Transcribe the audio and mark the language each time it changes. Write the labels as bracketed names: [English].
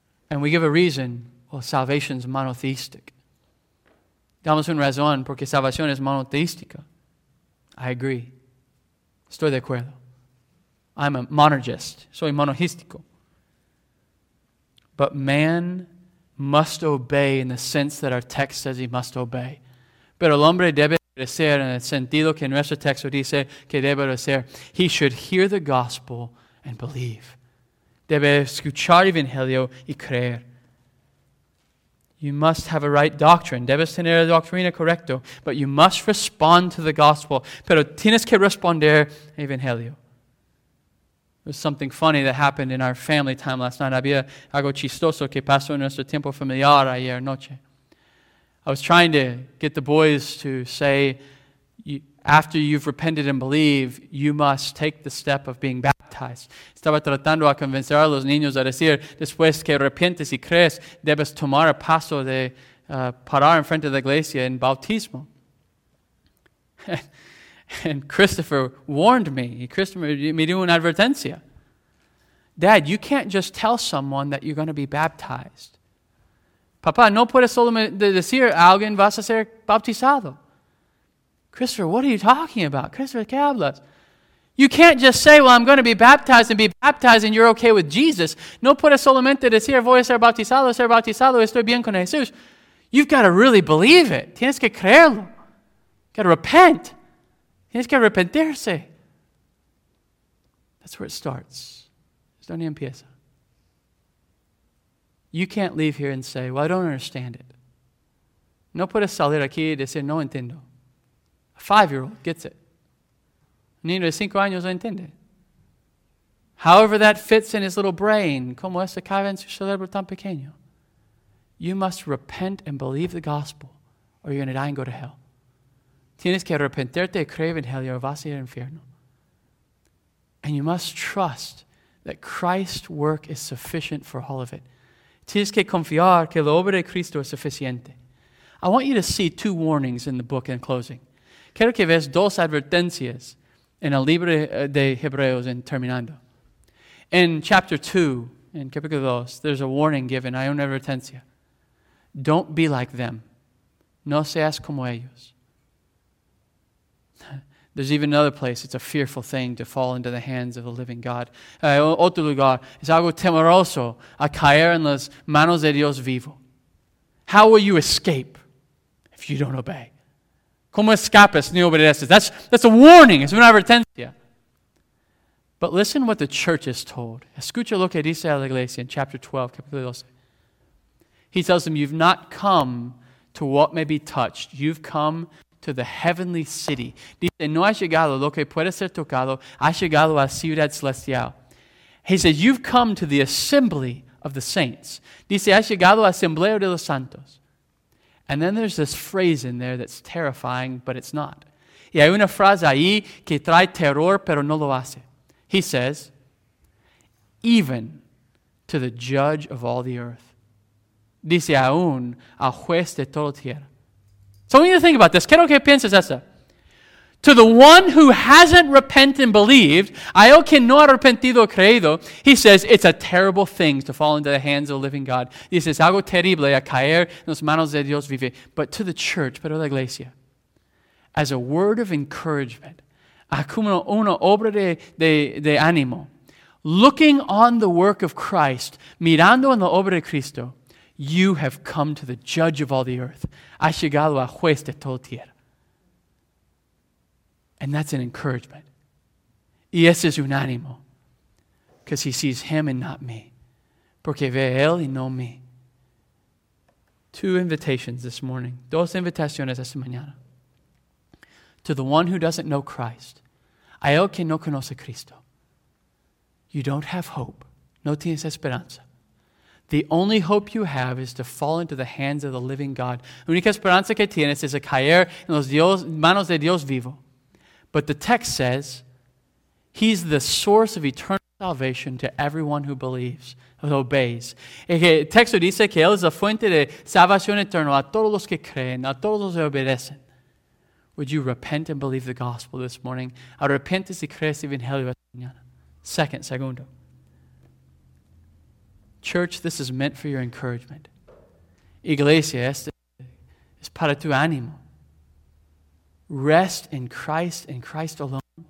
[English] And we give a reason, well, salvation is monotheistic. [Spanish] Damos un razón porque salvación es monotheística. [English] I agree. [Spanish] Estoy de acuerdo. [English] I'm a monergist. [Spanish] Soy monotheístico. [English] But man must obey in the sense that our text says he must obey. [Spanish] Pero el hombre debe obedecer en el sentido que nuestro texto dice que debe obedecer. [English] He should hear the gospel and believe. [Spanish] Debe escuchar evangelio y creer. [English] You must have a right doctrine. [Spanish] Debes tener la doctrina correcta. [English] But you must respond to the gospel. [Spanish] Pero tienes que responder evangelio. [English] There's something funny that happened in our family time last night. [Spanish] Había algo chistoso que pasó en nuestro tiempo familiar ayer noche. [English] I was trying to get the boys to say, after you've repented and believe, you must take the step of being baptized. [Spanish] Estaba tratando a convencer a los niños a decir, después que arrepientes y crees, debes tomar el paso de parar en frente de la iglesia en bautismo. [English] And Christopher warned me. [Spanish] Christopher me dio una advertencia. [English] Dad, you can't just tell someone that you're going to be baptized. [Spanish] Papá, no puedes solo decir a alguien vas a ser bautizado. [English] Christopher, what are you talking about? [Spanish] Christopher, ¿qué hablas? [English] You can't just say, well, I'm going to be baptized, and you're okay with Jesus. [Spanish] No puedes solamente decir, voy a ser bautizado, estoy bien con Jesús. [English] You've got to really believe it. [Spanish] Tienes que creerlo. [English] You've got to repent. [Spanish] Tienes que arrepentirse. [English] That's where it starts. [Spanish] Es donde empieza. [English] You can't leave here and say, well, I don't understand it. [Spanish] No puedes salir aquí y decir, no entiendo. [English] A five-year-old gets it. [Spanish] Niño de cinco años entiende. [English] However that fits in his little brain, [Spanish] como eso cabe en su cerebro tan pequeño, [English] you must repent and believe the gospel or you're going to die and go to hell. [Spanish] Tienes que arrepentirte y creer en hell y vas a ir al infierno. [English] And you must trust that Christ's work is sufficient for all of it. [Spanish] Tienes que confiar que la obra de Cristo es suficiente. [English] I want you to see two warnings in the book in closing. [Spanish] Quiero que veas dos advertencias en el libro de Hebreos, en terminando. [English] In chapter 2, in [Spanish] capítulo 2, [English] there's a warning given, [Spanish] hay una advertencia. [English] Don't be like them. [Spanish] No seas como ellos. [English] There's even another place, it's a fearful thing to fall into the hands of the living God. [Spanish] Otro lugar, es algo temeroso a caer en las manos de Dios vivo. [English] How will you escape if you don't obey? [Spanish] ¿Cómo escapas ni obedeces? [English] That's a warning. [Spanish] Es una advertencia. [English] But listen what the church is told. [Spanish] Escucha lo que dice a la iglesia [English] in chapter 12, [Spanish] capítulo 12. [English] He tells them, you've not come to what may be touched. You've come to the heavenly city. [Spanish] Dice, no has llegado lo que puede ser tocado. Has llegado a ciudad celestial. [English] He says, you've come to the assembly of the saints. [Spanish] Dice, has llegado a asembleo de los santos. [English] And then there's this phrase in there that's terrifying, but it's not. [Spanish] Y hay una frase ahí que trae terror, pero no lo hace. [English] He says, even to the judge of all the earth. [Spanish] Dice aún al juez de toda tierra. [English] So I want you to think about this. [Spanish] Quiero que pienses esto. [English] To the one who hasn't repented and believed, [Spanish] a él que no ha arrepentido o creído, [English] he says, it's a terrible thing to fall into the hands of the living God. He says, [Spanish] algo terrible a caer en las manos de Dios vive. [English] But to the church, [Spanish] pero la iglesia, [English] as a word of encouragement, [Spanish] a como una obra de ánimo, [English] looking on the work of Christ, [Spanish] mirando en la obra de Cristo, [English] you have come to the judge of all the earth. [Spanish] Has llegado al juez de toda tierra. [English] And that's an encouragement. [Spanish] Y ese es un ánimo. [English] Because he sees him and not me. [Spanish] Porque ve él y no me. [English] Two invitations this morning. [Spanish] Dos invitaciones esta mañana. [English] To the one who doesn't know Christ. [Spanish] A él que no conoce Cristo. [English] You don't have hope. [Spanish] No tienes esperanza. [English] The only hope you have is to fall into the hands of the living God. [Spanish] La única esperanza que tienes es a caer en las manos de Dios vivo. [English] But the text says, he's the source of eternal salvation to everyone who believes, who obeys. [Spanish] El texto dice que él es la fuente de salvación eterna a todos los que creen, a todos los que obedecen. [English] Would you repent and believe the gospel this morning? [Spanish] Arrepentes y crees el evangelio esta mañana. Segundo. [English] Church, this is meant for your encouragement. [Spanish] Iglesia, este es para tu ánimo. [English] Rest in Christ and Christ alone.